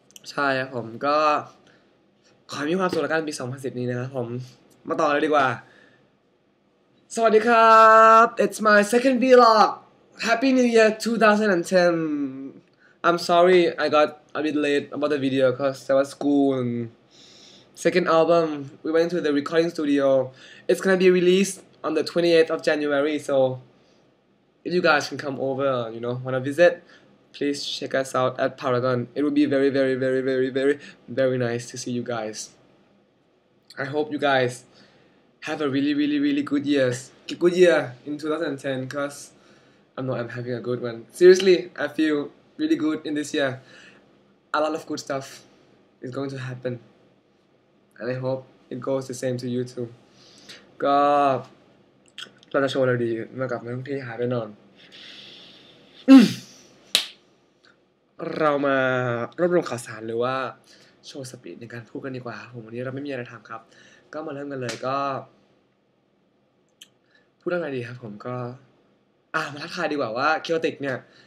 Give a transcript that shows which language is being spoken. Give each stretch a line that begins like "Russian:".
Thai: ใช่ครับผมก็ขอมีความสุขละกันปี2010นี้นะครับผมมาต่อเลยดีกว่าสวัสดีครับ
English: It's my second vlog Happy New Year 2010 I'm sorry I got a bit late about the video cause there was school and second album we went to the recording studio it's gonna be released on the 28th of January soIf you guys can come over, you know, wanna visit, please check us out at Paragon. It would be very, very, very, very, very, very nice to see you guys. I hope you guys have a really, really, really good year in 2010, because I'm having a good one. Seriously, I feel really good in this year. A lot of good stuff is going to happen. And I hope it goes the same to you too. God.
Thai: เราจะโชว์อะไรดีมากับเรื่องที่หายไปนอนเรามารวบรวมข่าวสารหรือว่าโชว์สปีดในการพูดกันดีกว่าผมวันนี้เราไม่มีอะไรทำครับก็มาเริ่มกันเลยก็พูดอะไรดีครับผมก็มาทักทายดีกว่าว่าเคียวติกเนี่ย